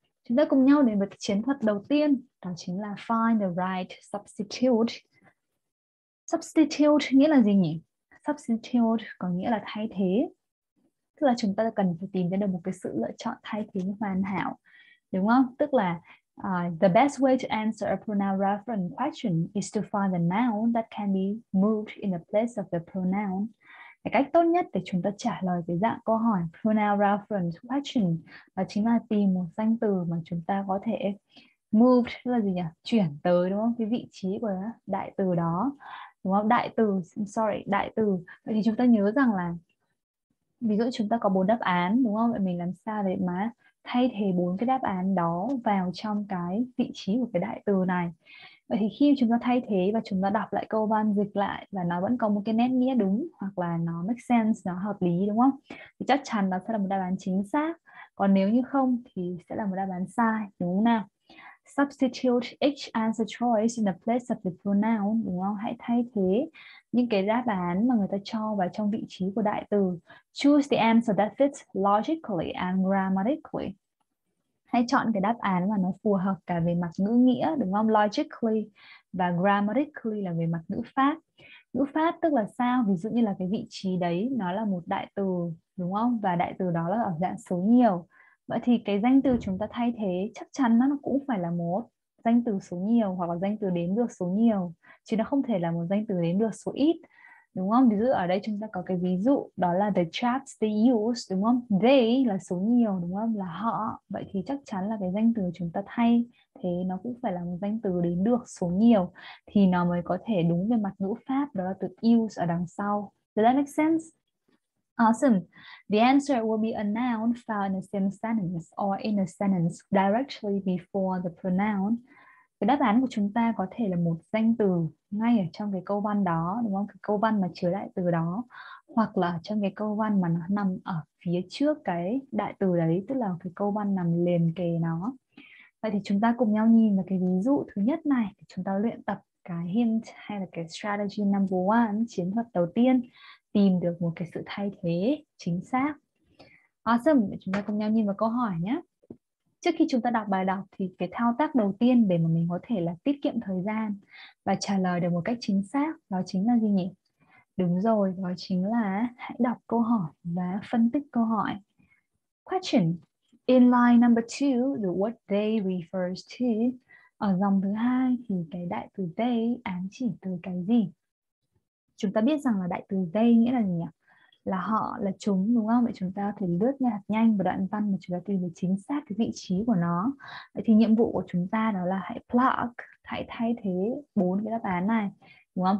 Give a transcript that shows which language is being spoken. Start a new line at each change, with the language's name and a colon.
Vietnamese: Chúng ta cùng nhau đến với cái chiến thuật đầu tiên, đó chính là
English: find the right substitute.
Vietnamese: Substitute nghĩa là gì nhỉ? Substitute có nghĩa là thay thế. Tức là chúng ta cần phải tìm ra được một cái sự lựa chọn thay thế hoàn hảo, đúng không? Tức là
English: the best way to answer a pronoun reference question is to find the noun that can be moved in the place of the pronoun.
Vietnamese: Cái cách tốt nhất để chúng ta trả lời cái dạng câu hỏi
English: pronoun reference question
Vietnamese: đó chính là tìm một danh từ mà chúng ta có thể moved, là gì nhỉ? Chuyển tới, đúng không? Cái vị trí của đại từ đó, đúng không? Đại từ, sorry, đại từ. Vậy thì chúng ta nhớ rằng là ví dụ chúng ta có bốn đáp án, đúng không? Vậy mình làm sao để mà thay thế bốn cái đáp án đó vào trong cái vị trí của cái đại từ này. Vậy thì khi chúng ta thay thế và chúng ta đọc lại câu văn, dịch lại và nó vẫn có một cái nét nghĩa đúng hoặc là nó
English: make sense,
Vietnamese: nó hợp lý, đúng không? Thì chắc chắn nó sẽ là một đáp án chính xác. Còn nếu như không thì sẽ là một đáp án sai, đúng không nào?
English: Substitute each answer choice in the place of the pronoun,
Vietnamese: đúng không? Hãy thay thế những cái đáp án mà người ta cho vào trong vị trí của đại từ.
English: Choose the answer that fits logically and grammatically.
Vietnamese: Hãy chọn cái đáp án mà nó phù hợp cả về mặt ngữ nghĩa, đúng không? Logically và grammatically là về mặt ngữ pháp. Ngữ pháp tức là sao? Ví dụ như là cái vị trí đấy nó là một đại từ, đúng không? Và đại từ đó là ở dạng số nhiều. Vậy thì cái danh từ chúng ta thay thế chắc chắn nó cũng phải là một danh từ số nhiều hoặc là danh từ đếm được số nhiều, chứ nó không thể là một danh từ đếm được số ít, đúng không? Ví dụ ở đây chúng ta có cái ví dụ đó là
English: the chaps they use,
Vietnamese: đúng không? They là số nhiều, đúng không? Là họ. Vậy thì chắc chắn là cái danh từ chúng ta thay thế nó cũng phải là một danh từ đếm được số nhiều thì nó mới có thể đúng về mặt ngữ pháp, đó là từ use ở đằng sau.
English: Does that make sense? Awesome. The answer will be a noun found in the same sentence or in a sentence directly before the pronoun.
Vietnamese: Cái đáp án của chúng ta có thể là một danh từ ngay ở trong cái câu văn đó, đúng không? Cái câu văn mà chứa đại từ đó, hoặc là trong cái câu văn mà nó nằm ở phía trước cái đại từ đấy, tức là cái câu văn nằm liền kề nó. Vậy thì chúng ta cùng nhau nhìn vào cái ví dụ thứ nhất này để chúng ta luyện tập cái hint hay là cái
English: strategy number one,
Vietnamese: chiến thuật đầu tiên, tìm được một cái sự thay thế chính xác. Awesome, chúng ta cùng nhau nhìn vào câu hỏi nhé. Trước khi chúng ta đọc bài đọc thì cái thao tác đầu tiên để mà mình có thể là tiết kiệm thời gian và trả lời được một cách chính xác đó chính là gì nhỉ? Đúng rồi, đó chính là hãy đọc câu hỏi và phân tích câu hỏi.
English: Question. In line number two, the word they refers to.
Vietnamese: Ở dòng thứ hai thì cái đại từ they ám chỉ từ cái gì? Chúng ta biết rằng là đại từ they nghĩa là gì nhỉ? Là họ, là chúng, đúng không? Vậy chúng ta có thể lướt nhanh vào đoạn văn mà chúng ta tìm được chính xác cái vị trí của nó. Vậy thì nhiệm vụ của chúng ta đó là hãy plug, hãy thay thế bốn cái đáp án này, đúng không?